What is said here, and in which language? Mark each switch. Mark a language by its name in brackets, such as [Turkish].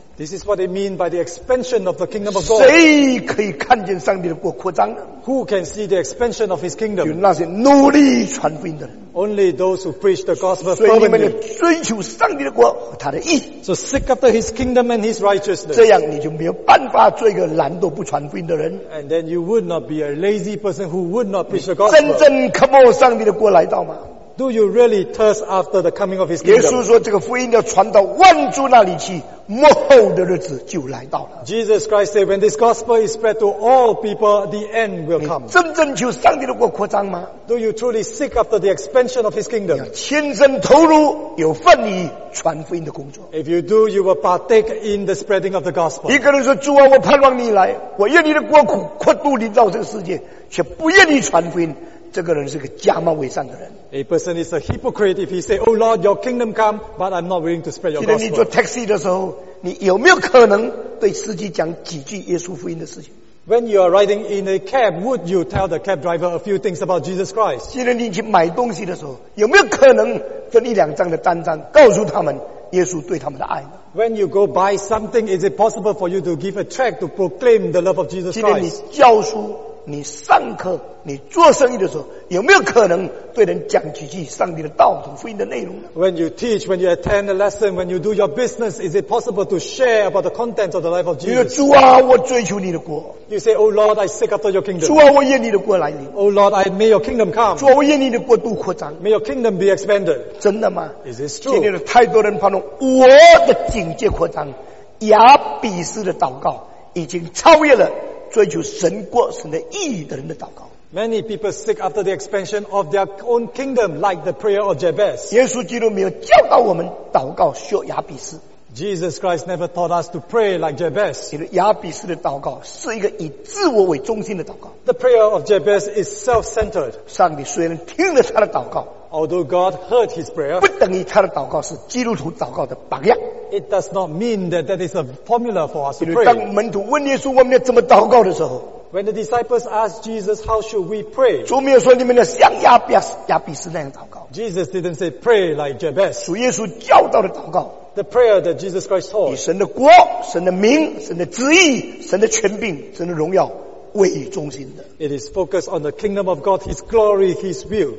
[English] This is what they mean by the expansion of the kingdom of God. [Chinese] 谁可以看见上帝的国扩张呢？ [English] Who can see the expansion of His kingdom? [Chinese] 就那些努力传福音的人。 [English] Only those who preach the gospel fervently. [Chinese] 所以你们要追求上帝的国和他的义。 [English] So seek after His kingdom and His righteousness. [Chinese] 这样你就没有办法做一个懒惰不传福音的人。 [English] And then you would not be a lazy person who would not preach the gospel. [Chinese] 真正渴慕上帝的国来到吗？ [English] Do you really thirst after the coming of His kingdom? [Chinese] 耶稣说这个福音要传到万族那里去，末后的日子就来到了。 [English] Jesus Christ said, when this gospel is spread to all people, the end will come. [Chinese] 真正求上帝的国扩张吗？ [English] Do you truly seek after the expansion of His kingdom? [Chinese] 你要亲身投入，有份于传福音的工作。 [English] If you do, you will partake in the spreading of the gospel. [Chinese] 一个人说，主啊，我盼望你来，我愿你的国扩度临到这个世界，却不愿意传福音。这个人是个假冒伪善的人。 [English] A person is a hypocrite if he say, "Oh Lord, Your kingdom come, but I'm not willing to spread Your gospel." [Chinese] 今天你坐 taxi 的时候，你有没有可能对司机讲几句耶稣福音的事情？ [English] When you are riding in a cab, would you tell the cab driver a few things about Jesus Christ? [Chinese] 今天你去买东西的时候，有没有可能分一两张的单张告诉他们耶稣对他们的爱？ [English] When you go buy something, is it possible for you to give a tract to proclaim the love of Jesus Christ? [Chinese] 今天你教书。你上课你做生意的时候有没有可能对人讲几句上帝的道和福音的内容呢？ [English] When you teach, when you attend a lesson, when you do your business, is it possible to share about the contents of the life of Jesus? [Chinese] 你说主啊，我追求你的国。 [English] You say, Oh Lord, I seek after your kingdom. [Chinese] 主啊，我愿你的国来临。 [English] Oh Lord, I may your kingdom come. [Chinese] 主啊，我愿你的国度扩张。 [English] May your kingdom be expanded. [Chinese] 真的吗？ [English] Is this true? [Chinese] 今天的太多人盼望我的境界扩张，亚比斯的祷告已经超越了追求神国神的意义的人的祷告。 [English] Many people seek after the expansion of their own kingdom, like the prayer of Jabez. [Chinese] 耶稣基督没有教导我们祷告需要亚比斯。 [English] Jesus Christ never taught us to pray like Jabez. [Chinese] 亚比斯的祷告是一个以自我为中心的祷告。 [English] The prayer of Jabez is self-centered. [Chinese] 上帝虽然听了他的祷告， [English] although God heard his prayer, [Chinese] 不等于他的祷告是基督徒祷告的榜样。 [English] It does not mean that that is a formula for us to pray. [Chinese] 比如当门徒问耶稣我们要怎么祷告的时候。 [English] When the disciples asked Jesus, how should we pray? [Chinese] 主没有说你们要像亚比斯那样祷告。 [English] Jesus didn't say pray like Jabez. [Chinese] 主耶稣教导的祷告。 [English] The prayer that Jesus Christ taught. [Chinese] 以神的国、神的名、神的旨意、神的权柄、神的荣耀为中心的。 [English] It is focused on the kingdom of God, His glory, His will.